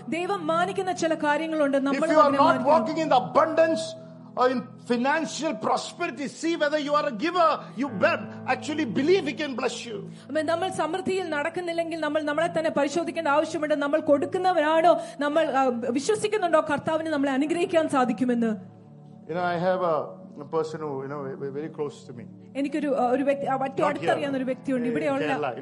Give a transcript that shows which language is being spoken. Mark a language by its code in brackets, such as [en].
[ml] ദൈവം മാനിക്കുന്ന ചില കാര്യങ്ങളുണ്ട് നമ്മൾ അവനെ മാനിക്കണം. [en] If you are not walking in the abundance or in financial prosperity, see whether you are a giver. You better actually believe he can bless you. [ml] അമ്മേ നമ്മൾ സമൃദ്ധിയിൽ നടക്കുന്നില്ലെങ്കിൽ നമ്മൾ നമ്മളെ തന്നെ പരിശോധിക്കേണ്ട ആവശ്യമുണ്ട്. നമ്മൾ കൊടുക്കുന്നവരാണോ, നമ്മൾ വിശ്വസിക്കുന്നുണ്ടോ കർത്താവിനെ നമ്മളെ അനുഗ്രഹിക്കാൻ സാധിക്കുമെന്ന്. [en] You know, I have a person who, you know, very close to me. [ml] എനിക്കൊരു ഒരു വ്യക്തി വട്ടി അടുത്തറിയാവുന്ന ഒരു വ്യക്തിയുണ്ട് ഇവിടെയുള്ള